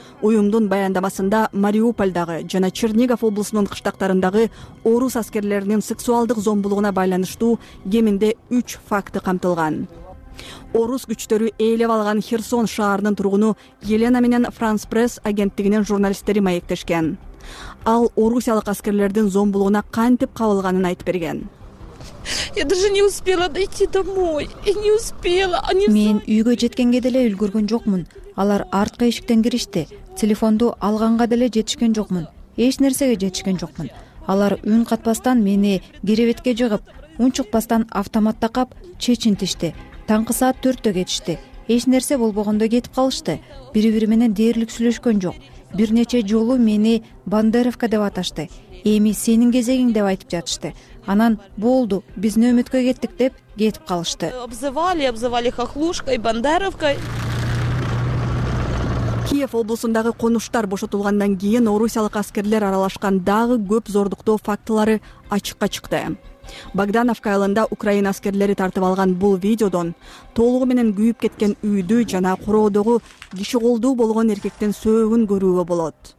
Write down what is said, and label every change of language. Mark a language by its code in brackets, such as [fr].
[ky] Уюмдун баяндамасында Мариупольдагы жана Чернигов облусунун кыштактарындагы орус аскерлеринин сексуалдык зомбулугуна байланыштуу кеминде 3 факты камтылган. Орус күчтөрү ээлеп алган Херсон шаарынын тургуну Елена менен France Press агенттигинин журналисттери маектешкен. Ал орусиялык аскерлердин зомбулугуна кантип кабылганын айтып берген. [ru] Я даже не успела дойти домой. Я не успела. [ky] Мен үйгө жеткенге деле үлгүргөн жокмун. Алар арткы эшиктен киришти. Телефонду алганга деле жетишкен жокмун. Эч нерсеге жетишкен жокмун. Алар үн катпастан мени керебетке жыгып, унчукпастан автоматта кап чечинтишти. Таңкы саат 4'тө кетишти. Эч нерсе болбогондо кетип калышты. Бири-бири менен дээрлик сүйлөшкөн жок. Бир нече жолу мени Бандеровка деп аташты. Эми сенин кезегиң деп айтып жатышты. Анан болду, биз нөөмөткө кеттик деп кетип калышты. [ru] Обзывали хохлушкой, Бандеровкой. [ky] Киев облусундагы конуштар бошотулгандан кийин орусиялык аскерлер аралашкан дагы көп зордуктоо фактылары ачыкка чыкты. Богдановка айылында украин аскерлери тартып алган бул видеодон толугу менен күйүп кеткен үйдү жана короодогу киши колдуу болгон эркектин сөөгүн көрүүгө болот.